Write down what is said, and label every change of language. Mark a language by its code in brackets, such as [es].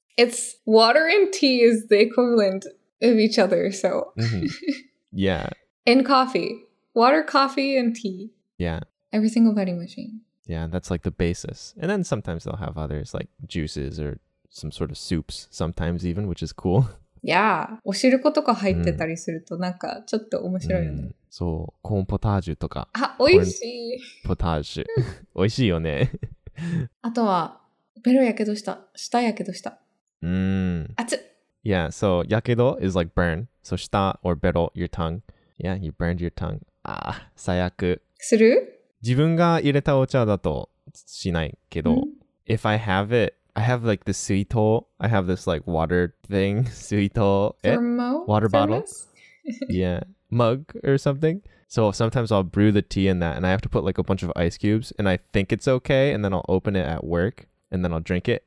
[en] It's water and tea is the equivalent of each other, so. Yeah. And coffee. Water, coffee, and tea. Yeah. Every single vending machine. Yeah, that's like the basis. And then sometimes they'll have others like juices or some sort of soups sometimes even, which is cool. [ja] Yeah, おしることか入ってたりするとなんかちょっと面白いよね。 [en] So, corn potage とか. [ja] あ、美味しい。 Potage. 美味しいよね。あとは、ベロやけどした。舌やけどした。熱っ。 [en] Yeah, so, yakedo is like burn. So, 舌 or ベロ, your tongue. Yeah, you burned your tongue. Ah, 最悪。 [ja] する? 自分が入れたお茶だとしないけど。 [en] If I have it, I have like the suito. I have this like water thing, suito. Water bottle. Yeah, mug or something. So sometimes I'll brew the tea in that and I have to put like a bunch of ice cubes and I think it's okay. And then I'll open it at work and then I'll drink it.